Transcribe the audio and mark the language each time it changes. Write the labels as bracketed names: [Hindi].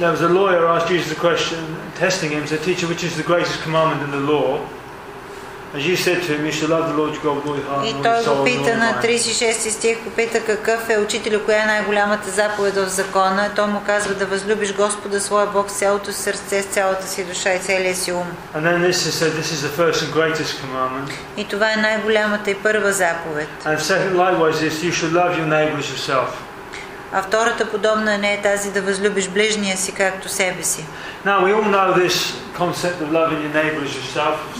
[English] There was a lawyer asked Jesus a question, testing him, said, Teacher, which is the greatest commandment in the law? As you said to him, you shall love the Lord your God with all your heart. [Bulgarian] И той го пита на 36 стих, попита какъв е учителю, коя е най-голямата заповед в закона. Той му казва да възлюбиш Господа своя Бог с цялото си сърце, с цялата си душа и целия си ум. [English] And then this is said, this is the first and greatest commandment. [Bulgarian] И това е най-голямата и първа заповед. [English] And second, likewise, this, you shall love your neighbor as yourself. [Bulgarian] А втората подобна не е тази да възлюбиш ближния си както себе си. [English] Now we all know this concept of loving your neighbor as yourself.